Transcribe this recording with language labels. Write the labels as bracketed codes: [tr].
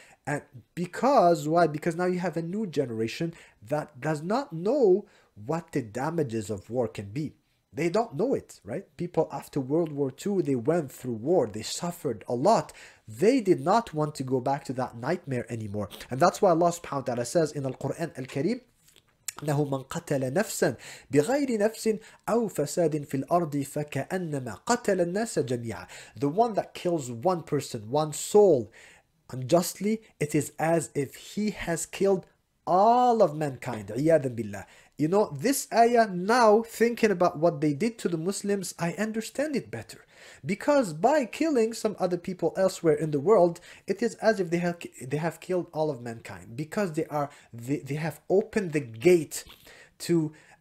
[en] And because why? Because now you have a new generation that does not know what the damages of war can be. They don't know it, right? People after World War II, they went through war. They suffered a lot. They did not want to go back to that nightmare anymore. And that's why Allah subhanahu wa ta'ala says in Al-Quran Al-Karim, [ar] إنه من قتل نفسا بغير نفس أو فساد في الأرض فكأنما قتل الناس جميعا. [en] The one that kills one person, one soul, unjustly, it is as if he has killed all of mankind. [ar] عياذا بالله. [en] You know, this ayah, now thinking about what they did to the Muslims, I understand it better. Because by killing some other people elsewhere in the world, it is as if they have killed all of mankind. Because they have opened the gate to